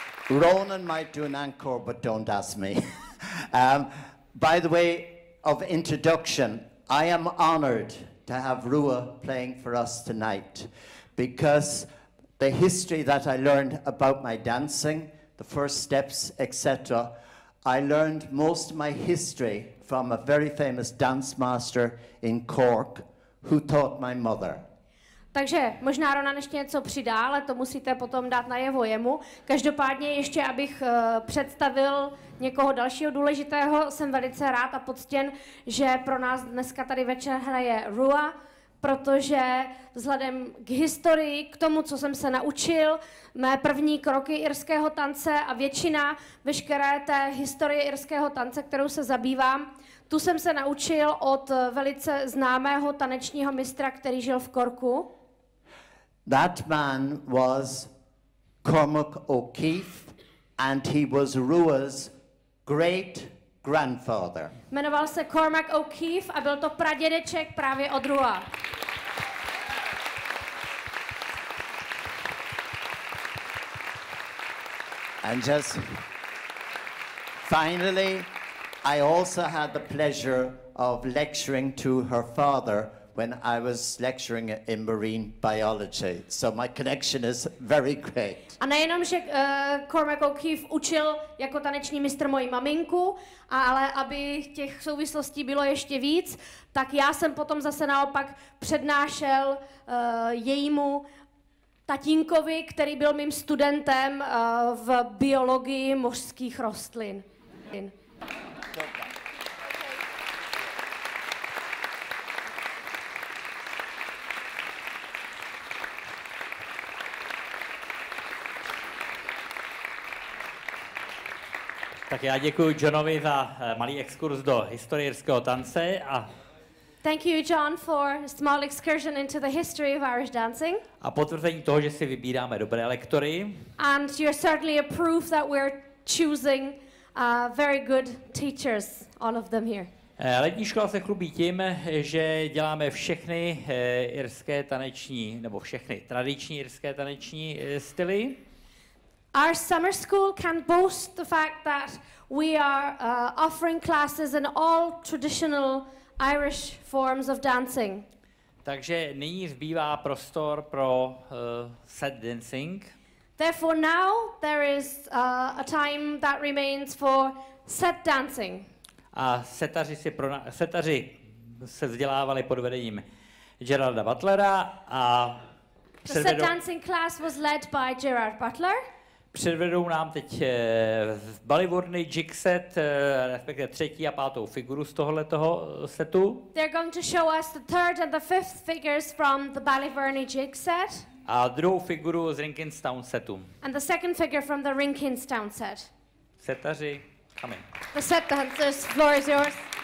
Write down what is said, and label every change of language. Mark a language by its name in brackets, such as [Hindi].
[English] Ronan might do an encore, but don't ask me. By the way of introduction, I am honored to have Rua playing for us tonight, because the history that I learned about my dancing, the first steps, etc., I learned most of my history from a very famous dance master in Cork who taught my mother. [Czech] Takže možná Ronan ještě něco přidá, ale to musíte potom dát najevo jemu. Každopádně ještě, abych představil někoho dalšího důležitého, jsem velice rád a poctěn, že pro nás dneska tady večer hraje Rua, protože vzhledem k historii, k tomu, co jsem se naučil, mé první kroky irského tance a většina veškeré té historie irského tance, kterou se zabývám, tu jsem se naučil od velice známého tanečního mistra, který žil v Korku. [English] That man was Cormac O'Keefe and he was Rua's great grandfather. [Czech] Jmenoval se Cormac O'Keefe a byl to pradědeček právě od Rua. [English] And just finally, I also had the pleasure of lecturing to her father when I was lecturing in marine biology. So my connection is very great. [Czech] A nejenom, že Cormac O'Keefe učil jako taneční mistr moji maminku, ale aby těch souvislostí bylo ještě víc, tak já jsem potom zase naopak přednášel jejímu tatínkovi, který byl mým studentem v biologii mořských rostlin. Tak já děkuji Johnovi za malý exkurs do historie irského tance a [English] thank you John for a small excursion into the history of Irish dancing. [Czech] A potvrzení toho, že si vybíráme dobré lektory. [English] And you're certainly a proof that we're choosing very good teachers, all of them here. [Czech] Letní škola se chlubí tím, že děláme všechny irské taneční nebo všechny tradiční irské taneční styly. [English] Our summer school can boast the fact that we are offering classes in all traditional Irish forms of dancing. [Czech] Takže nyní zbývá prostor pro set dancing. [English] Therefore now there is a time that remains for set dancing. [Czech] A setaři se vzdělávali pod vedením Geralda Butlera a [English] set dancing class was led by Gerard Butler. [Czech] Předvedou nám teď balivorný jig set, respektive třetí a pátou figuru z tohohle toho setu. [English] They're going to show us the third and the fifth figures from the balivorný jig set. [Czech] A druhou figuru z Rinkinstown setu. [English] And the second figure from the Rinkinstown set. [Czech] Setaři, [English] come in. The set dancers, floor is yours.